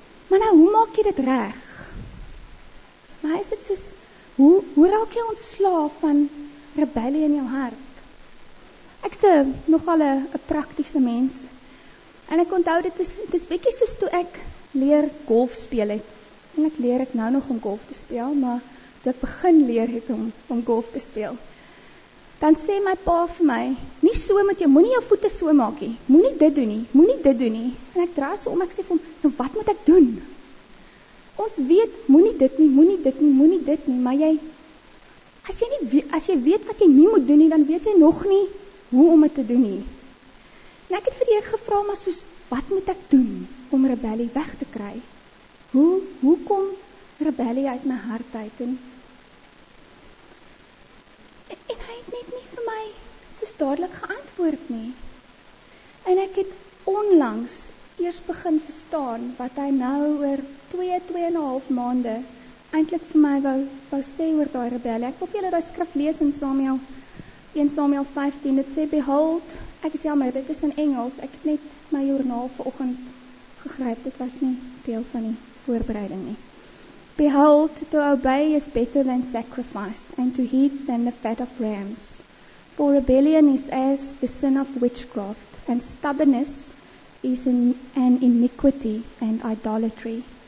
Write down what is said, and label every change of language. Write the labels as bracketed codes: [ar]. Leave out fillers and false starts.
[af] Maar nou, hoe maak jy dit reg? Maar is dit soos, hoe raak jy ontslaaf van rebellie in jou hart? Ek is nogal 'n praktiese mens. En ek onthou, dit is bietjie soos toe ek leer golf speel het. En ek leer ek nou nog om golf te speel, maar toe ek begin leer het om golf te speel. Dan sê my pa vir my, nie so met jou, moenie jou voete so maak nie. Moenie dit doen nie. En ek draai so om, ek sê vir hom, nou wat moet ek doen? Ons weet, moenie dit nie, maar jy... As jy weet wat jy nie moet doen nie, dan weet jy nog nie hoe om dit te doen nie. En ek het vir die Heer gevra, maar soos, wat moet ek doen om rebellie weg te kry? Hoe kom rebellie uit my hart uit? En hy het net nie vir my soos dadelik geantwoord nie. En ek het onlangs eers begin verstaan wat hy nou oor 2,5 maande eintlik vir my wou sê oor daai rebellie. Ek wil julle daai skrif lees in Samuel 1 Samuel 15. Dit sê, "Behold," ek is jammer, dit is in Engels. Ek het net my joernaal vanoggend gegryp. Dit was nie deel van die voorbereiding nie. [en] "Behold, to obey is better than sacrifice, and to heed than the fat of rams. For rebellion is as the sin of witchcraft, and stubbornness is an iniquity and idolatry.